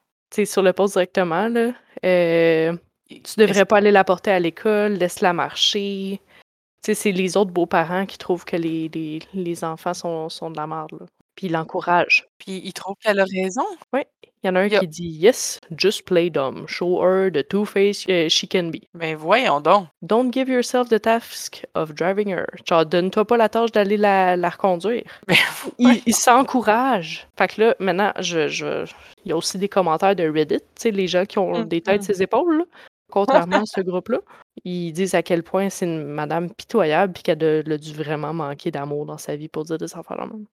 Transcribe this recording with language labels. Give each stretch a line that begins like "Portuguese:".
French: T'sais, sur le post directement là. Tu devrais pas aller la porter à l'école, laisse-la marcher. Tu sais, c'est les autres beaux-parents qui trouvent que les enfants sont de la merde, là. Puis ils l'encouragent. Puis il trouve qu'elle a raison. Oui, il y en a un qui dit
English: Yes, just play dumb. Show her the two-face she can be.
French: Mais voyons donc.
English: Don't give yourself the task of driving her.
French: Genre, donne-toi pas la tâche d'aller la reconduire. Mais Il s'encourage. Fait que là, maintenant, il y a aussi des commentaires de Reddit, tu sais, les gens qui ont voyons. des têtes sur les épaules, là. contrairement à ce groupe-là. Ils disent à quel point c'est une madame pitoyable et qu'elle a dû vraiment manquer d'amour dans sa vie pour dire de s'en faire la même.